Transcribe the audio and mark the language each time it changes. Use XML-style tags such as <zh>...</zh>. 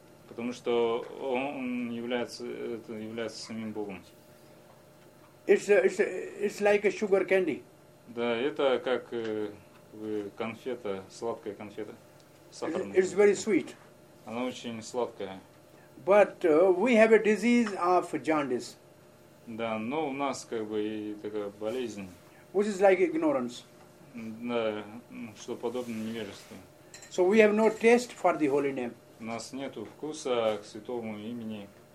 <ru>Потому что он является, это является самим Богом.</ru> <en>It's like a sugar candy.</en> <ru>Да, это как конфета, сладкая конфета.</ru> <en>It's very sweet.</en> <ru>Она очень сладкая.</ru> <en>But we have a disease of jaundice.</en> <ru>Да, но у нас как бы и такая болезнь.</ru> <en>Which is like ignorance.</en> <ru>Да, что подобно невежеству.</ru> <en>So we have no taste for the holy name.</en> <ru>У нас нету вкуса к святому имени.</ru>